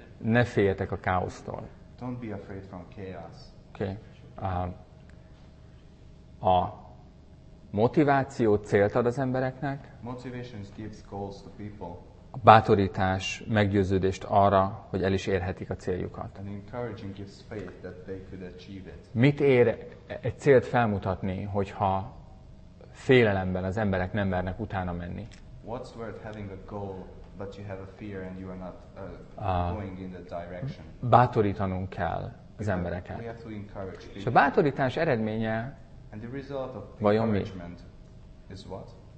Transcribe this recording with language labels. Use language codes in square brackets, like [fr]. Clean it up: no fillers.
[hu] Ne féljetek a káosztól. [en] Don't be afraid from chaos. Okay. [hu] A motiváció célt ad az embereknek. [en] Motivation gives goals to people. [hu] A bátorítás meggyőződést arra, hogy el is érhetik a céljukat. [en] And encouraging gives faith that they could achieve it. [hu] Mit ér egy célt felmutatni, hogyha félelemben az emberek nem mernek utána menni? [en] What's worth having a goal, but you have a fear and you are not going in the direction? [hu] Bátorítanunk kell az embereket. [en] We have to encourage people. [hu] És a bátorítás eredménye [en] and the result of the encouragement is what?